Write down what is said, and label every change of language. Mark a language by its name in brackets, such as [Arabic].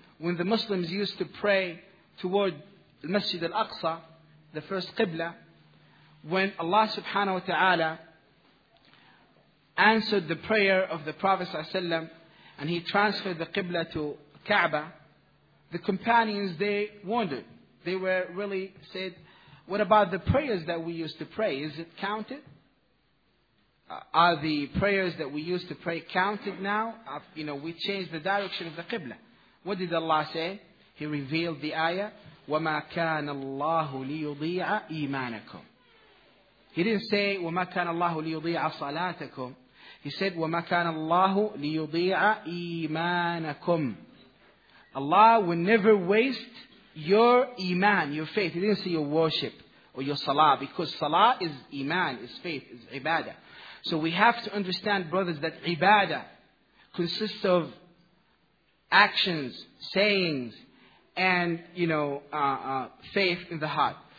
[English] When the Muslims used to pray toward Masjid al-Aqsa, the first Qibla, when Allah subhanahu wa ta'ala answered the prayer of the Prophet sallallahu alayhi wa sallam, and he transferred the Qibla to Kaaba, the companions, they wondered. They were really said, what about the prayers that we used to pray? Is it counted? Are the prayers that we used to pray counted now? You know, we changed the direction of the Qibla. What did Allah say? He revealed the ayah, [Arabic] وَمَا كَانَ اللَّهُ لِيُضِيعَ إِيمَانَكُمْ. [English] He didn't say, [Arabic] وَمَا كَانَ اللَّهُ لِيُضِيعَ صَلَاتَكُمْ. [English] He said, [Arabic] وَمَا كَانَ اللَّهُ لِيُضِيعَ إِيمَانَكُمْ. [English] Allah will never waste your iman, your faith. He didn't say your worship or your salah, because salah is iman, is faith, is ibadah. So we have to understand, brothers, that ibadah consists of actions, sayings, and, you know, faith in the heart.